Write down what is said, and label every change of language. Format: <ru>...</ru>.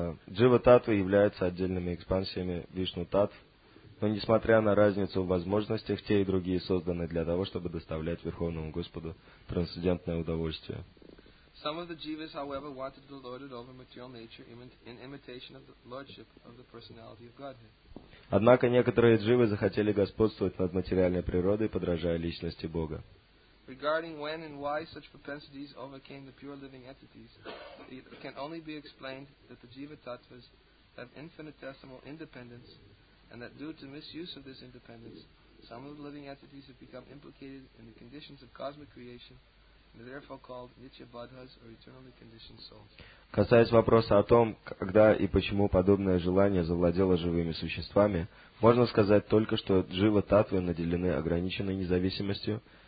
<ru>Джива-таттвы являются отдельными экспансиями Вишну-таттв, но несмотря на разницу в возможностях, те и другие созданы для того, чтобы доставлять Верховному Господу трансцендентное удовольствие.</ru> <en>Some of the Jivas, however, wanted to lord it over material nature in imitation of the lordship of the personality of Godhead.</en> <ru>Однако некоторые Дживы захотели господствовать над материальной природой, подражая личности Бога.</ru> <en>Regarding when and why such propensities overcame the pure living entities, it can only be explained that the Jiva tattvas have infinitesimal independence, and that due to misuse of this independence, some of the living entities have become implicated in the conditions of cosmic creation, and are therefore called nitya badhas or eternally conditioned souls.</en> <ru>Касаясь вопроса о том, когда и почему подобное желание завладело живыми существами, можно сказать только, что Джива таттвы наделены ограниченной независимостью.</ru>